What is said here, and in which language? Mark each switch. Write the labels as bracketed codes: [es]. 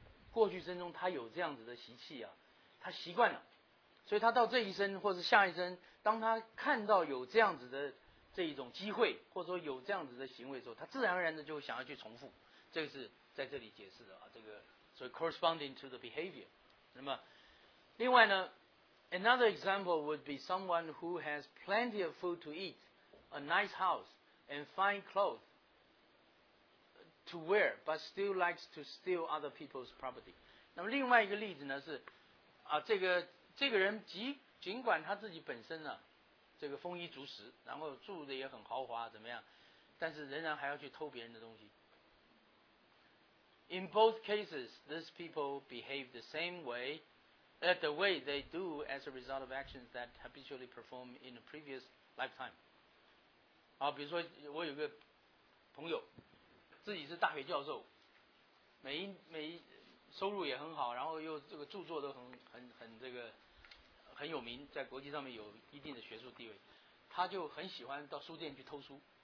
[zh] 过去生中他有这样子的习气啊，他习惯了。所以他到这一生或是下一生，当他看到有这样子的这一种机会，或者说有这样子的行为的时候，他自然而然的就想要去重复。这个是在这里解释的啊，这个所以 [en] corresponding to the behavior。 [zh] 那么另外呢 [en] ，another example would be someone who has plenty of food to eat, a nice house, and fine clothes to to wear, but still likes to steal other people's property. [zh] 那么另外一个例子呢是，啊，这个人尽管他自己本身呢，这个丰衣足食，然后住的也很豪华，怎么样？但是仍然还要去偷别人的东西。 [en] In both cases, these people behave the same way, the way they do as a result of actions that habitually perform in a previous lifetime. [zh] 啊，比如说我有个朋友，自己是大学教授，每收入也很好，然后又这个著作都很这个很有名，在国际上面有一定的学术地位，他就很喜欢到书店去偷书。